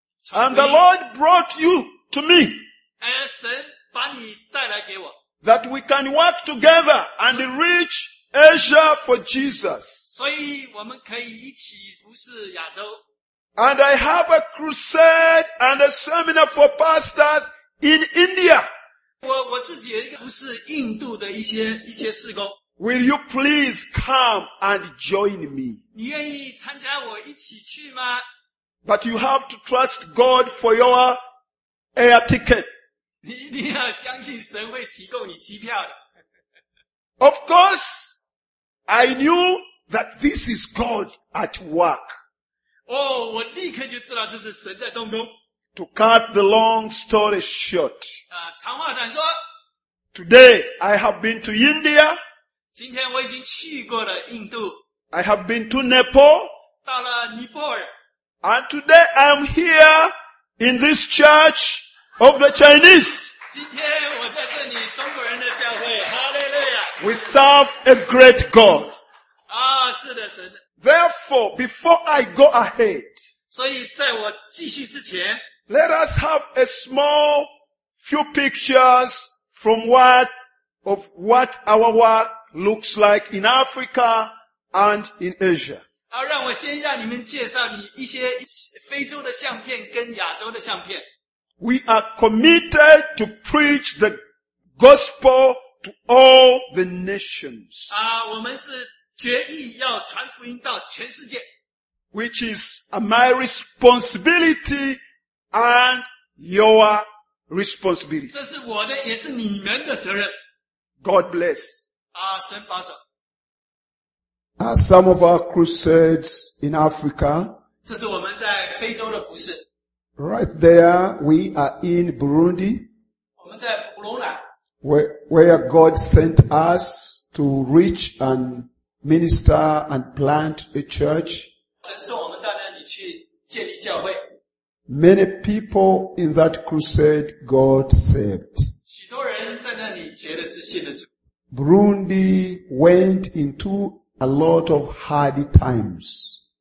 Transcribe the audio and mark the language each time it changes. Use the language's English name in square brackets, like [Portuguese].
[English] And the Lord brought you to me. [Chinese] 神把你带来给我。 [English] That we can work together and reach Asia for Jesus. [Chinese] 所以我们可以一起服侍亚洲。 [English] And I have a crusade and a seminar for pastors in India. [Chinese] 我自己有一个服侍印度的一些事工。 [English] Will you please come and join me? [Chinese] 你愿意参加我一起去吗？ [English] But you have to trust God for your air ticket. [Chinese] 你一定要相信神会提供你机票的。 [English] Of course, I knew that this is God at work. [Chinese] 哦，我立刻就知道这是神在动工。 [English] To cut the long story short. [Chinese] 长话短说。 [English] Today, I have been to India. [Chinese] 今天我已经去过了印度。 [English] I have been to Nepal. [Chinese] 到了尼泊尔。 [English] And today I am here in this church of the Chinese. [Chinese] 今天我在这里中国人的教会。 [English] Hallelujah. We serve a great God. [Chinese] 啊，是的，是的。 [English] Therefore, before I go ahead, [Chinese] 所以在我继续之前, [English] let us have a small few pictures from what our work looks like in Africa and in Asia. [Chinese] 啊，让我先让你们介绍你一些非洲的相片跟亚洲的相片。 [English] We are committed to preach the gospel to all the nations. [Chinese] 啊，我们是决意要传福音到全世界。 [English] Which is my responsibility and your responsibility. [Chinese] 这是我的，也是你们的责任。 [English] God bless. [Chinese] 啊，神保守。 [English] Some of our crusades in Africa. [Chinese] 这是我们在非洲的服事。 [English] Right there, we are in Burundi. [Chinese] 我们在布隆兰。 [English] Where God sent us to reach and minister and plant a church. [Chinese] 神送我们到那里去建立教会。 [English] Many people in that crusade God saved. [Chinese] 许多人在那里觉得是信的主。 [English] Burundi went into a lot of hard times.